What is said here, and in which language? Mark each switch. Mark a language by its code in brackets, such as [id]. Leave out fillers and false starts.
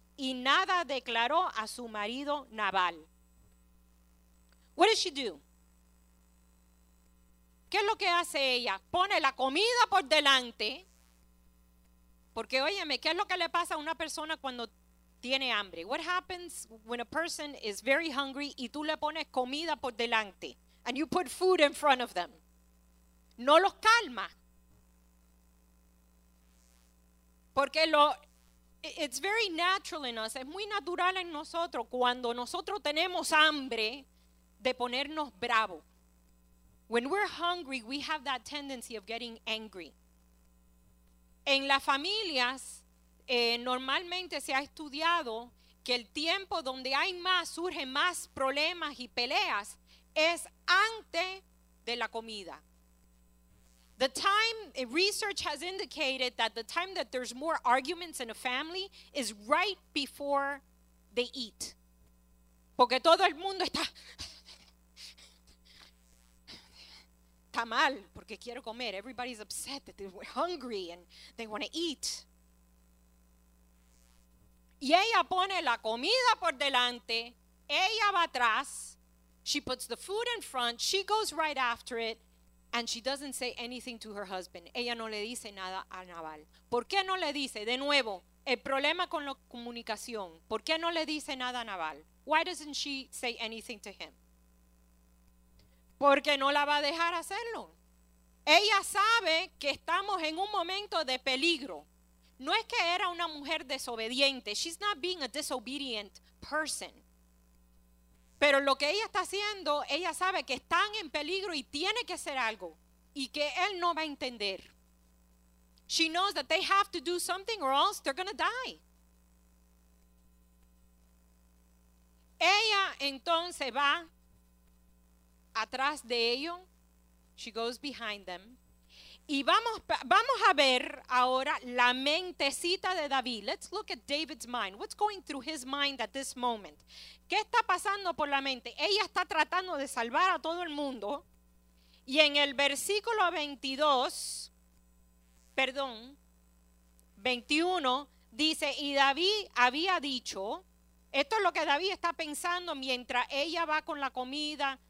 [es] Y nada declaró a su marido Nabal. [en] What does she do? [es] ¿Qué es lo que hace ella? Pone la comida por delante. Porque óyeme, ¿qué es lo que le pasa a una persona cuando tiene hambre? [en] What happens when a person is very hungry [es] y tú le pones comida por delante? [en] And you put food in front of them. [es] No los calma. Porque [en] it's very natural in us. [es] Es muy natural en nosotros cuando nosotros tenemos hambre de ponernos bravo. [en] When we're hungry, we have that tendency of getting angry. [es] En las familias, normalmente se ha estudiado que el tiempo donde hay más, surgen más problemas y peleas, es antes de la comida. [en] The time, research has indicated that the time that there's more arguments in a family is right before they eat. [es] Porque todo el mundo está... mal porque quiero comer. [en] Everybody's upset that they're hungry and they want to eat. [es] Y ella pone la comida por delante, ella va atrás. [en] She puts the food in front, she goes right after it, and she doesn't say anything to her husband. [es] Ella no le dice nada a Nabal. ¿Por qué no le dice? De nuevo, el problema con la comunicación. ¿Por qué no le dice nada a Nabal? [en] Why doesn't she say anything to him? [es] Porque no la va a dejar hacerlo. Ella sabe que estamos en un momento de peligro. No es que era una mujer desobediente. [en] She's not being a disobedient person. [es] Pero lo que ella está haciendo, ella sabe que están en peligro y tiene que hacer algo. Y que él no va a entender. [en] She knows that they have to do something or else they're going to die. [es] Ella entonces va atrás de ello, [en] she goes behind them. [es] Y vamos a ver ahora la mentecita de David. [en] Let's look at David's mind. What's going through his mind at this moment? [es] ¿Qué está pasando por la mente? Ella está tratando de salvar a todo el mundo. Y en el versículo 21, dice, y David había dicho, esto es lo que David está pensando mientras ella va con la comida.